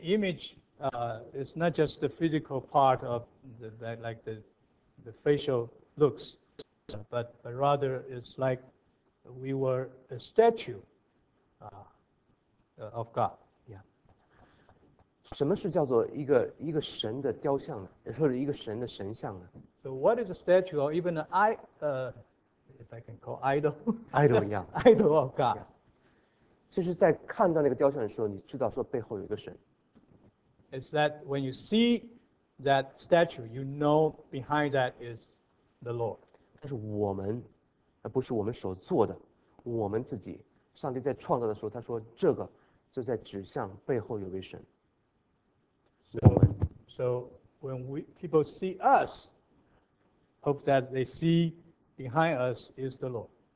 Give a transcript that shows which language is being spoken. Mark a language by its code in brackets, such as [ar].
[en] image is not just the physical part of the facial looks, but rather it's like we were a statue. Of God, yeah. [zh] 什么是叫做一个神的雕像呢？或者一个神的神像呢？ [en] So what is a statue or even an if I can call idol? Idol, yeah. Idol of God. Yeah. [zh] 就是在看到那个雕像的时候， 你知道说背后有一个神。 [en] It's that when you see that statue, you know behind that is the Lord. [zh] 但是我们， 不是我们所做的， 我们自己， 上帝在创造的时候， 他说这个， 就在指向背后有位神。 [en] So when people see us, hope that they see behind us is the Lord.